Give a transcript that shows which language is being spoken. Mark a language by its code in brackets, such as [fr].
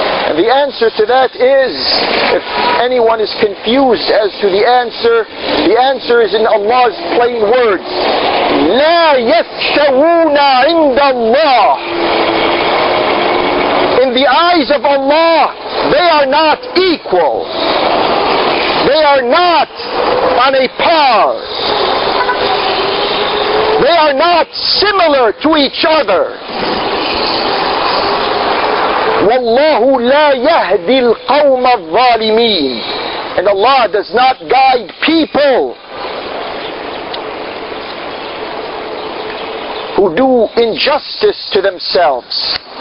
[en] And the answer to that is, if anyone is confused as to the answer is in Allah's plain words, [ar] لَا يَسْتَوُونَ عِنْدَ اللَّهِ. [en] In the eyes of Allah, they are not equal. They are not on a par. They are not similar to each other. [ar] والله لا يهدي القوم الظالمين. [en] And Allah does not guide people who do injustice to themselves.